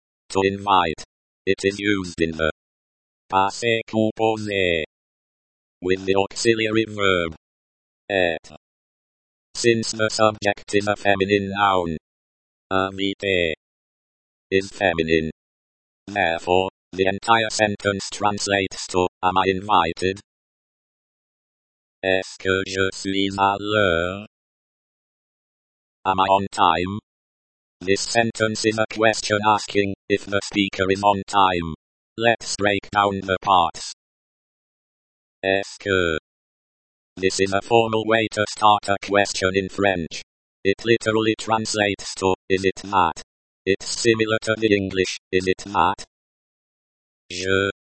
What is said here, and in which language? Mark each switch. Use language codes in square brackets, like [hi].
[en] To invite, it is used in the passé composé with the auxiliary verb être. Since the subject is a feminine noun, invité is feminine. Therefore, the entire sentence translates to, am I invited? [fr] Est-ce que je suis à l'heure? [en] Am I on time? This sentence is a question asking if the speaker is on time. Let's break down the parts. [fr] Est-ce que? [en] This is a formal way to start a question in French. It literally translates to, is it not? It's similar to the English, is it not? Je.